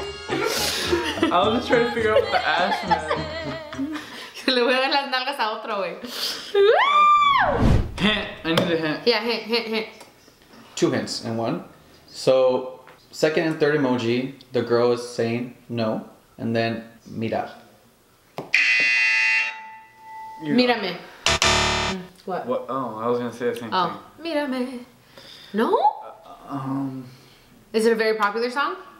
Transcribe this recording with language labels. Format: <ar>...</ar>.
<en>I was just trying to figure out what the ass meant.</en> <es>Le voy a dar las nalgas a otro, güey.</es> <en>Hint. I need a hint. Yeah, hint. Two hints in one. So, second and third emoji, the girl is saying no. And then,</en> <es>mira. Mírame.</es> <en>What? Oh, I was going to say the same thing.</en> <es>Mírame.</es> <en>No? Is it a very popular song?</en>